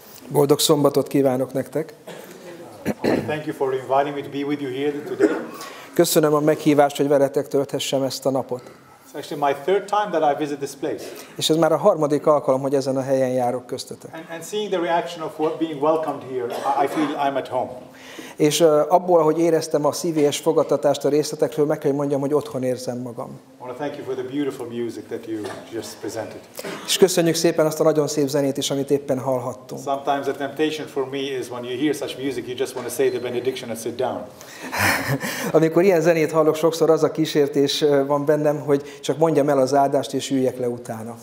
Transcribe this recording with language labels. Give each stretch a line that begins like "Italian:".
Hungarian: Boldog szombatot kívánok nektek.
English: Thank you for inviting me to be with you here today.
Hungarian: Köszönöm a meghívást, hogy veletek tölthessem ezt a napot.
English: It's actually my third time that I visit this place.
Hungarian: És ez már a harmadik alkalom, hogy ezen a helyen járok köztetek.
English: And seeing the reaction of being welcomed here, I feel I'm at home.
Hungarian: És abból, ahogy éreztem a szívélyes fogadtatást a részletekről, meg kell, hogy mondjam, hogy otthon érzem magam.
English: I want to thank you for the beautiful music that you just presented.
Hungarian: És köszönjük szépen azt a nagyon szép zenét is, amit éppen hallhattunk.
English: Sometimes the temptation for me is when you hear such music, you just want to say the benediction and sit down.
Hungarian: Amikor ilyen zenét hallok, sokszor az a kísértés van bennem, hogy csak mondjam el az áldást és üljek le utána.